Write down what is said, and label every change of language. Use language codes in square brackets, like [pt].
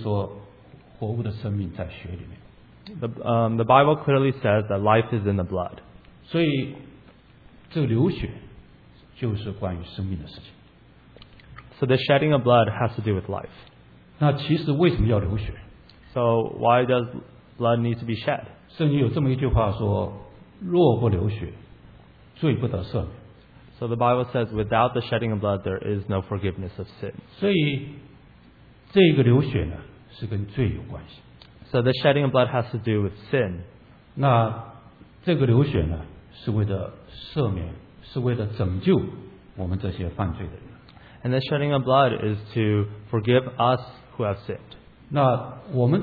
[zh] 圣经是明明的讲，圣经说活物的生命在血里面。 [en] The Bible clearly says that life is in the blood. [zh] 所以这个流血就是关于生命的事情。 [en] So the shedding of blood has to do with life. [zh] 那其实为什么要流血？ [en] So why does blood need to be shed? [zh] 圣经有这么一句话说, 若不流血, 罪不得赦免。 [en] So the Bible says, without the shedding of blood, there is no forgiveness of sin. [zh] 所以这个流血呢, 是跟罪有关系。 [en] So the shedding of blood has to do with sin. [zh] 那这个流血呢, 是为了赦免, 是为了拯救我们这些犯罪的人。 [en] And the shedding of blood is to forgive us who have sinned.